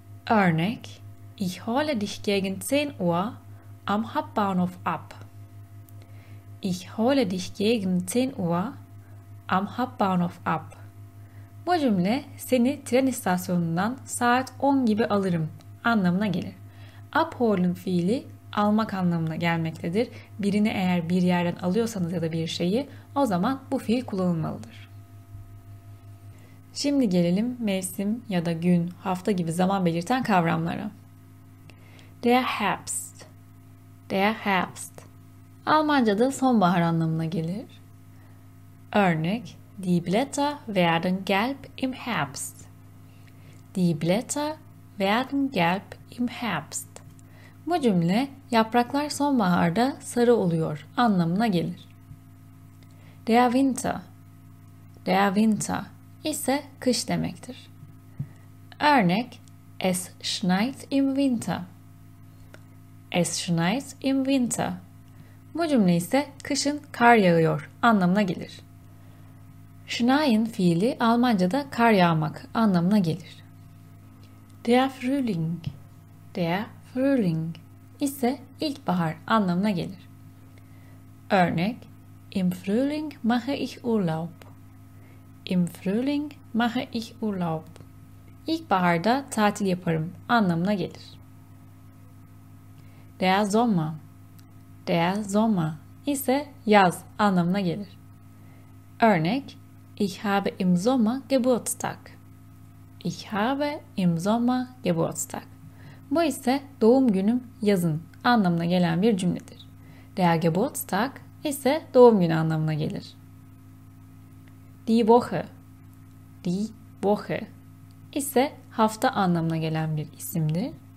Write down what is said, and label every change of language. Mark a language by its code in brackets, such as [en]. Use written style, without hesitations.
[de] Örnek: Ich hole dich gegen 10 Uhr am Hauptbahnhof ab. Ich hole dich gegen 10 Uhr am Hauptbahnhof ab. [tr] Bu cümle seni tren istasyonundan saat 10 gibi alırım anlamına gelir. Abholen fiili almak anlamına gelmektedir. Birini eğer bir yerden alıyorsanız ya da bir şeyi, o zaman bu fiil kullanılmalıdır. Şimdi gelelim mevsim ya da gün, hafta gibi zaman belirten kavramlara. Der Herbst. Der Herbst. Almanca'da sonbahar anlamına gelir. [de] Örnek: Die Blätter werden gelb im Herbst. Die Blätter werden gelb im Herbst. [tr] Bu cümle yapraklar sonbaharda sarı oluyor anlamına gelir. Der Winter. Der Winter ise kış demektir. [de] Örnek: Es schneit im Winter. Es schneit im Winter. [tr] Bu cümle ise kışın kar yağıyor anlamına gelir. Schneien fiili Almanca'da kar yağmak anlamına gelir. Der Frühling. Der Frühling ise ilkbahar anlamına gelir. [de] Örnek: Im Frühling mache ich Urlaub. Im Frühling mache ich Urlaub. [tr] İlkbaharda tatil yaparım anlamına gelir. Der Sommer. Der Sommer ise yaz anlamına gelir. [de] Örnek: Ich habe im Sommer Geburtstag. Ich habe im Sommer Geburtstag. [tr] Bu ise doğum günüm yazın anlamına gelen bir cümledir. Der Geburtstag ise doğum günü anlamına gelir. Die Woche. Die Woche ise hafta anlamına gelen bir isimdir.